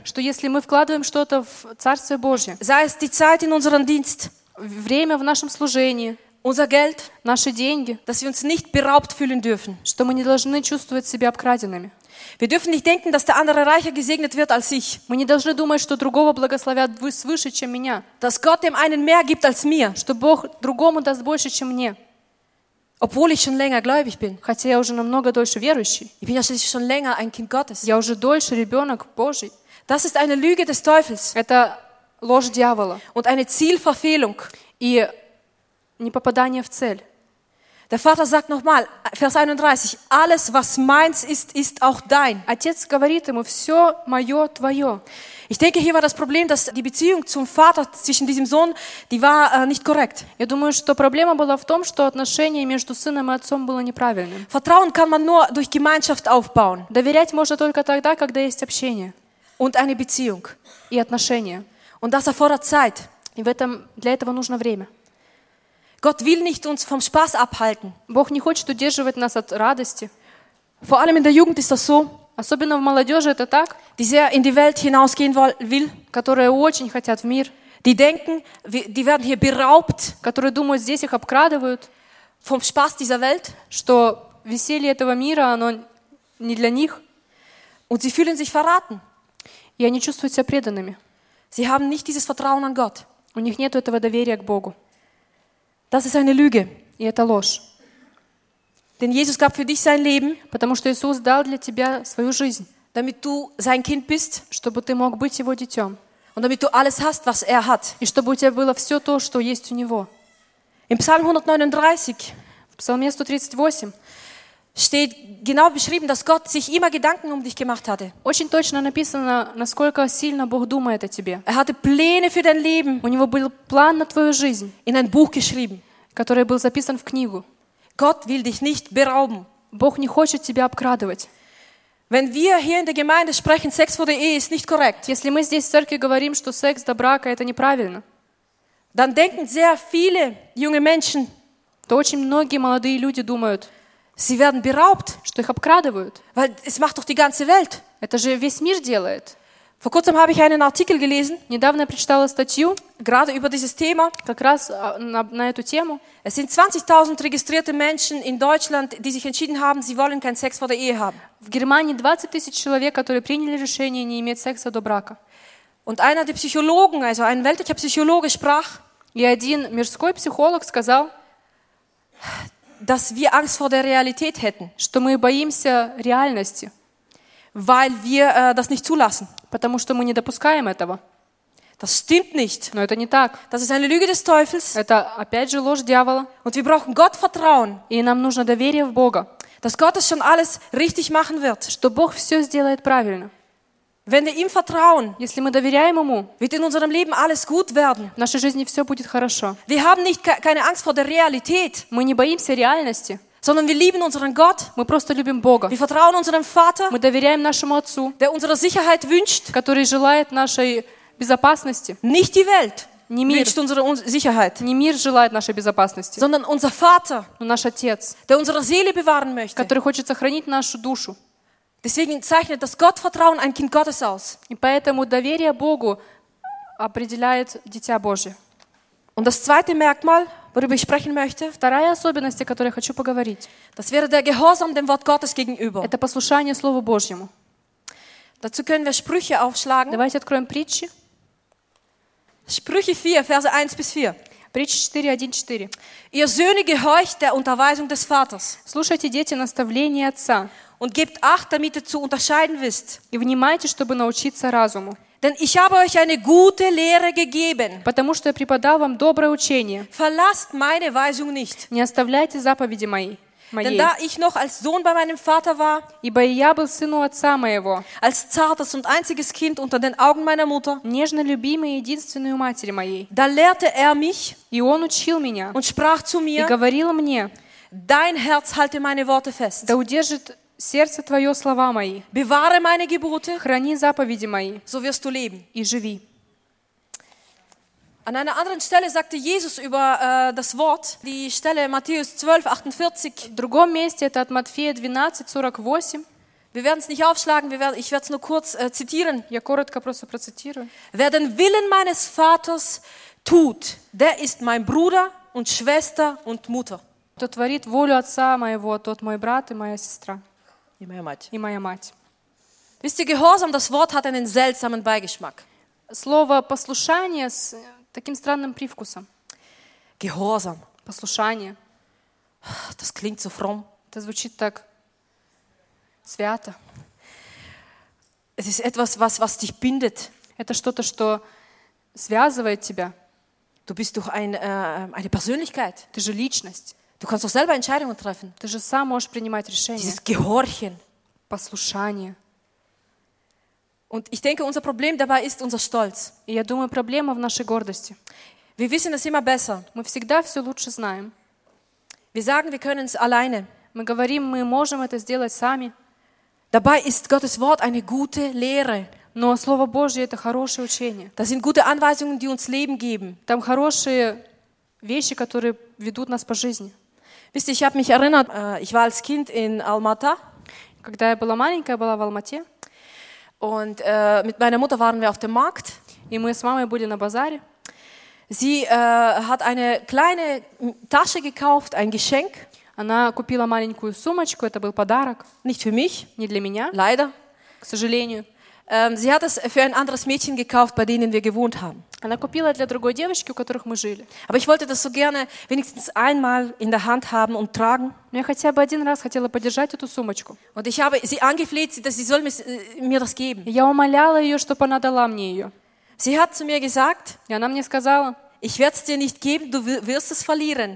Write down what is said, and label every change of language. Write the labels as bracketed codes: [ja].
[ru] что если мы вкладываем что-то в Царствие Божье, [de] sei es die Zeit in unseren Dienst, [ru] время в нашем служении, [de] unser Geld, [ru] наши деньги, [de] dass wir uns nicht beraubt fühlen dürfen, [ru] что мы не должны чувствовать себя обкраденными. [de] Wir dürfen nicht denken, dass der andere reicher gesegnet wird als ich. [ru] Мы не должны думать, что другого благословят свыше, чем меня. [de] Dass Gott dem einen mehr gibt als mir, [ru] что Бог другому даст больше, чем мне. [de] Obwohl ich schon länger gläubig bin, [ru] хотя я уже намного дольше верующий. [de] Ich bin ja schon länger ein Kind Gottes. [ru] Я уже дольше ребенок Божий. [de] Das ist eine Lüge des Teufels. [ru] Это ложь дьявола. [de] Und eine Zielverfehlung. [ru] И непопадание в цель. [de] Der Vater sagt nochmal, Vers 31, alles, was meins ist, ist auch dein. [ru] Отец говорит ему, все мое, твое. [de] Ich denke, hier war das Problem, dass die Beziehung zum Vater zwischen diesem Sohn, die war nicht korrekt. [ru] Я думаю, что проблема была в том, что отношение между сыном и отцом было неправильным. [de] Vertrauen kann man nur durch Gemeinschaft aufbauen. [ru] Доверять можно только тогда, когда есть общение. [de] Und eine Beziehung. [ru] И отношения. [de] Und das erfordert Zeit. [ru] И для этого нужно время. [de] Gott will nicht uns vom Spaß abhalten. [ru] Бог не хочет удерживать нас от радости. [de] Vor allem in der Jugend ist das so. [ru] Особенно в молодежи это так, [de] die sehr in die Welt hinausgehen will, [ru] которые очень хотят в мир, [de] die denken, die werden hier beraubt, [ru] которые думают, здесь их обкрадывают, [de] vom Spaß dieser Welt, [ru] что веселье этого мира, оно не для них, [de] und sie fühlen sich verraten. [ru] И они чувствуют себя преданными. [de] Sie haben nicht dieses Vertrauen an Gott. [ru] У них нет этого доверия к Богу. [de] Das ist eine Lüge. [ru] И это ложь. [de] Denn Jesus gab für dich sein Leben, [ru] потому что Иисус дал для тебя свою жизнь, [de] damit du sein Kind bist, [ru] чтобы ты мог быть его детем, [de] und damit du alles hast, was er hat, [ru] и чтобы у тебя было все то, что есть у него. [de] In Psalm 139, [ru] в Псалме 138, [de] steht genau beschrieben, dass Gott sich immer Gedanken um dich gemacht hatte. [ru] Очень точно написано, насколько сильно Бог думает о тебе. [de] Er hatte Pläne für dein Leben, [ru] у него был план на твою жизнь, [de] in ein Buch geschrieben, [ru] который был записан в книгу. [de] Gott will dich nicht berauben. [ru] Бог не хочет тебя обкрадывать. [de] Wenn wir hier in der Gemeinde sprechen, Sex vor der Ehe ist nicht korrekt. [ru] Если мы здесь в церкви говорим, что секс до брака это неправильно. [de] Dann denken sehr viele junge Menschen. [ru] То очень многие молодые люди думают. [de] Sie werden beraubt, [ru] что их обкрадывают. [de] Weil es macht doch die ganze Welt. [ru] Это же весь мир делает. [de] Vor kurzem habe ich einen Artikel gelesen. [ru] Недавно я прочитала статью. [de] Gerade über dieses Thema. [ru] Как раз на эту тему. [de] Es sind 20.000 registrierte Menschen in Deutschland, die sich entschieden haben, sie wollen keinen Sex vor der Ehe haben. [ru] В Германии 20.000 человек, которые приняли решение не иметь секса до брака. [de] Und einer der Psychologen, also ein weltlicher Psychologe, sprach. [ru] И один мирской психолог сказал, [de] dass wir Angst vor der Realität hätten. [ru] Что мы боимся реальности. [de] Weil wir das nicht zulassen. [ru] Потому что мы не допускаем этого. [de] Das stimmt nicht. [ru] Но это не так. [de] Das ist eine Lüge des Teufels. [ru] Это опять же ложь дьявола. [de] Und wir brauchen Gott vertrauen. [ru] И нам нужно доверие в Бога. [de] Dass Gott es schon alles richtig machen wird. [ru] Что Бог всё сделает правильно. [de] Wenn wir ihm vertrauen, [ru] если мы доверяем ему, [de] wird in unserem Leben alles gut werden. [ru] В нашей жизни всё будет хорошо. [de] Wir haben nicht keine Angst vor der Realität. [ru] Мы не боимся реальности. [de] Sondern wir lieben unseren Gott. [ru] Мы просто любим Бога. [de] Wir vertrauen unserem Vater. [ru] Мы доверяем нашему отцу. [de] Der unsere Sicherheit wünscht. [ru] Который желает нашей безопасности. [de] Nicht die Welt. [ru] Не мир. [de] Wünscht unsere Sicherheit. [ru] Не мир желает нашей безопасности. [de] Sondern unser Vater. [ru] Но наш отец. [de] Der unsere Seele bewahren möchte. [ru] Который хочет сохранить нашу душу. [de] Deswegen zeichnet das Gottvertrauen ein Kind Gottes aus. [ru] И поэтому доверие Богу определяет дитя Божье. [de] Und das zweite Merkmal, worüber ich sprechen möchte, [ru] вторая особенность, о которой я хочу поговорить, [de] das wäre der Gehorsam dem Wort Gottes gegenüber. [ru] Это послушание Слову Божьему. [de] Dazu können wir Sprüche aufschlagen. [ru] Давайте откроем притчи. [de] Sprüche 4, Verse 1 bis 4. [ru] Притчи 4, 1, 4. [de] Ihr Söhne, gehorcht der Unterweisung des Vaters. [ru] Слушайте, дети, наставление отца. [de] Und gebt acht, damit ihr zu unterscheiden wisst. [ru] И внимайте, чтобы научиться разуму. [de] Denn ich habe euch eine gute Lehre gegeben. [ru] Потому что я преподал вам доброе учение. [de] Verlasst meine Weisung nicht. [ru] Не оставляйте заповеди мои. [de] Denn da ich noch als Sohn bei meinem Vater war, [ru] ибо я был сыну отца моего, [de] als zartes und einziges Kind unter den Augen meiner Mutter, [ru] нежно любимый единственный у матери моей, [de] da lehrte er mich, [ru] и он учил меня, [de] und sprach zu mir, [ru] и говорил мне, [de] dein Herz halte meine Worte fest, [ru] да удержит сердце твое слова мои, [de] bewahre meine Gebote, [ru] храни заповеди мои, [de] so wirst du leben, [ru] и живи. [de] An einer anderen Stelle sagte Jesus über das Wort, die Stelle Matthäus 12, 48. [ru] В другом месте, это от Матфея 12, 48. [de] Wir werden es nicht aufschlagen, ich werde es nur kurz zitieren. [ru] Я коротко просто процитирую. [de] Wer den Willen meines Vaters tut, der ist mein Bruder und Schwester und Mutter. [ru] Кто творит волю отца моего, тот мой брат и моя сестра. И моя мать. И моя мать. [de] Wisst ihr, Gehorsam, das Wort hat einen seltsamen Beigeschmack. [ru] Слово послушание с таким странным привкусом. [de] Gehorsam. [ru] Послушание. [de] Das klingt so fromm. [ru] Это звучит так свято. [de] Es ist etwas, was dich bindet. [ru] Это что-то, что связывает тебя. [de] Du bist doch eine Persönlichkeit. [ru] Ты же личность. [de] Du kannst doch selber Entscheidungen treffen. [ru] Ты же сам можешь принимать решения. [de] Dieses Gehorchen. [ru] Послушание. [de] Und ich denke, unser Problem dabei ist unser Stolz. [ru] Я думаю, проблема в нашей гордости. [de] Wir wissen es immer besser. [ru] Мы всегда все лучше знаем. [de] Wir sagen, wir können es alleine. [ru] Мы говорим, мы можем это сделать сами. [de] Dabei ist Gottes Wort eine gute Lehre. [ru] Но Слово Божье – это хорошее учение. [de] Das sind gute Anweisungen, die uns Leben geben. [ru] Там хорошие вещи, которые ведут нас по жизни. [de] Wisst ihr, ich habe mich erinnert, ich war als Kind in Almaty. [ru] Когда я была маленькая, была в Алмате. [de] Und mit meiner Mutter waren wir auf dem Markt. [ru] И мы с мамой были на базаре. [de] Sie hat eine kleine Tasche gekauft, ein Geschenk. [ru] Она купила маленькую сумочку, это был подарок. [de] Nicht für mich. [ru] Не для меня. [de] Leider. [ru] К сожалению. [de] Sie hat es für ein anderes Mädchen gekauft, bei denen wir gewohnt haben. [ru] Она купила для другой девочки, у которых мы жили. [de] Aber ich wollte das so gerne wenigstens einmal in der Hand haben und tragen. [ru] Но я хотя бы один раз хотела подержать эту сумочку. [de] Und ich habe sie angefleht, dass sie soll mir das geben. [ru] Я умоляла ее, чтобы она дала мне ее. [de] Sie hat zu mir gesagt, [ru] и она мне сказала, [de] ich werde es dir nicht geben, du wirst es verlieren.